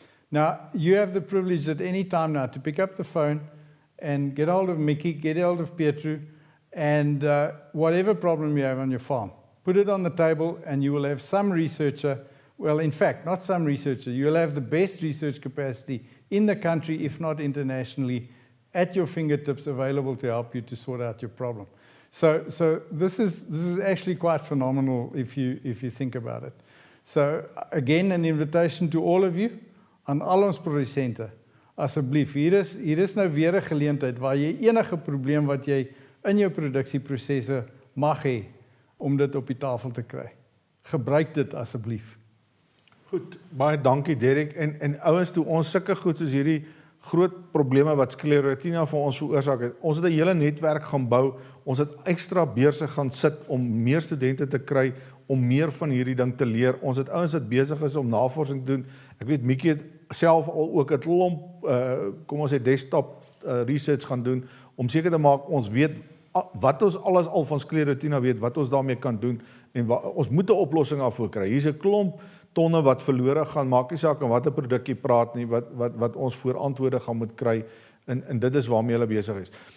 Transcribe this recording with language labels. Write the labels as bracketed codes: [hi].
[en] Now, you have the privilege at any time now to pick up the phone and get hold of Mickey, get hold of Pietro, and whatever problem you have on your farm, put it on the table and you will have some researcher, well, in fact, not some researcher, you'll have the best research capacity in the country, if not internationally, at your fingertips, available to help you to sort out your problem. So this is actually quite phenomenal if you think about it. So again, an invitation to all of you, [af] aan al ons producente, asseblief, hier is nou weer 'n geleentheid waar jy enige probleem wat jy in jou produksieprosesse mag hê om dit op die tafel te kry. Gebruik dit asseblief. Goed, baie dankie Derek. En ouens, toe ons sulke goed soos hierdie groot probleme wat sclerotinia vir ons veroorsaak het, ons het 'n hele netwerk gaan bou. Ons het ekstra beurse gaan sit om meer studente te kry om meer van hierdie ding te leer. Ons het ouens wat besig is om navorsing te doen. Ek weet Mickey het self al ook 'n klomp desktop research gaan doen om seker te maak ons weet wat ons alles al van sclerotinia weet, wat ons daarmee kan doen en ons moet 'n oplossing daarvoor kry. Hier's 'n klomp tonne wat verlore gaan, maak nie saak en wat 'n produkkie praat nie, wat ons voor antwoorde gaan moet kry en dit is waarmee hulle besig is.